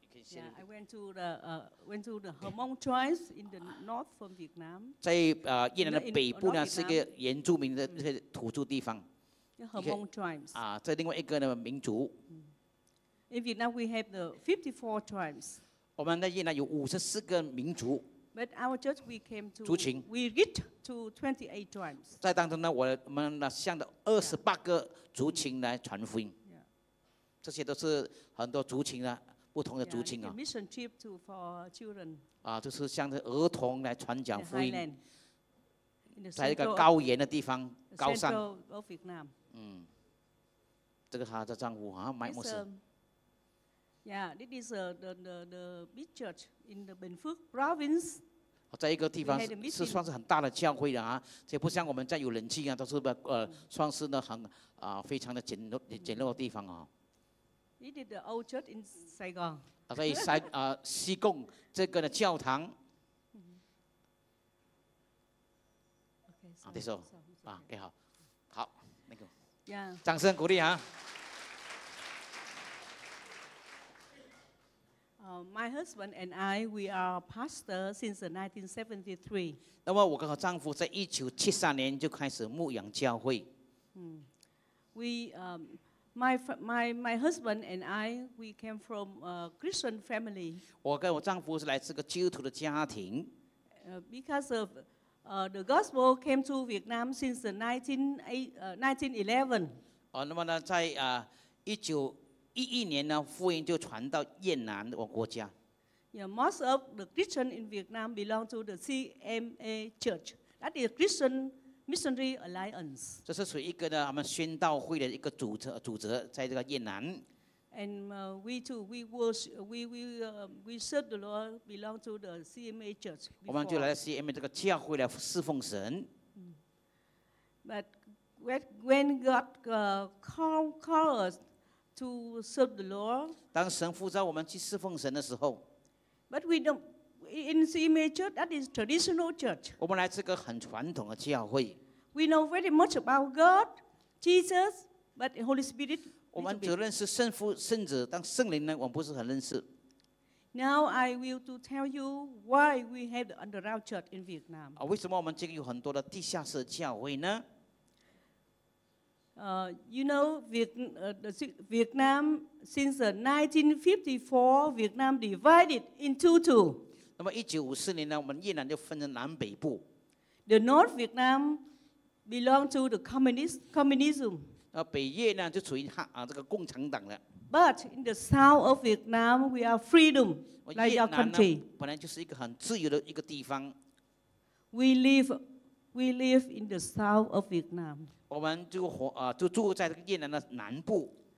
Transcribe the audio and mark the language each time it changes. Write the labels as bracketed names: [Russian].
[English] Yeah, I went to the Hmong tribes in the north from Vietnam. [Chinese] 在越南的北部呢，是一个原住民的那些土著地方。 [English] Hmong tribes. [Chinese] 啊，在另外一个呢民族。 [English] In Vietnam, we have the 54 tribes. [Chinese] 我们在越南有五十四个民族。 [English] But our church we came to [Chinese] 族群 [English] we reached to 28 tribes. [Chinese] 在当中呢，我们呢向着二十八个族群来传福音。 [English] Yeah. [Chinese] 这些都是很多族群呢，不同的族群啊。 [English] Yeah, mission trip to for children. [Chinese] 啊，就是向着儿童来传讲福音。 [English] Highland, [Chinese] 在一个高原的地方， [English] the [Chinese] 高山。 [English] Central of Vietnam. 嗯， [Chinese] 这个他的丈夫啊，麦牧师。 [English] Yeah, this is the big church in the Bình Phước province. [Chinese] 在一个地方是算是很大的教会的啊，这不像我们在有冷气啊，都是算是呢很非常的简陋的地方啊。 [English] He did the old church in Saigon. [Chinese] 在西啊西贡这个的教堂。 [English] Okay, so [Chinese] 啊，给好，好，那个，掌声鼓励哈。 [English] My husband and I, we are pastor since 1973. [Chinese] 那么我跟我丈夫在1973年就开始牧养教会。 [English] My husband and I, we came from a Christian family. [Chinese] 我跟我丈夫是来自个基督徒的家庭。 [English] Because of the gospel came to Vietnam since 1911. [Chinese] 那么呢，在1911年呢，福音就传到越南的国家。 [English] Yeah, most of the Christians in Vietnam belong to the CMA Church. That is Christian Missionary Alliance. [Chinese] 这是属于一个呢，我们宣道会的一个组织，在这个越南。 [English] And we serve the Lord, belong to the CMA Church. [Chinese] 我们就来 CMA 这个教会来侍奉神。 [English] But when God called us. To serve the Lord. [Chinese] 当神呼召我们去侍奉神的时候 [English] ，But we don't in CMA Church. That is traditional church. [Chinese] 我们来这个很传统的教会。 [English] We know very much about God, Jesus, but Holy Spirit. [Chinese] 我们只认识圣父、圣子，但圣灵呢，我们不是很认识。 [English] Now I will to tell you why we have the underground church in Vietnam. [Chinese] 为什么我们这个有很多的地下室教会呢？ [English] You know, Vietnam since 1954, Vietnam divided into two. [Chinese] 那么1954年呢，我们越南就分成南北部。 [English] The North Vietnam belong to the communism. [Chinese] 那北越呢，就属于这个共产党了。 [English] But in the South of Vietnam, we are freedom like our country. [Chinese] 本来就是一个很自由的一个地方。 [English] We live in the south of Vietnam. [Chinese] 我们就住在越南的南部。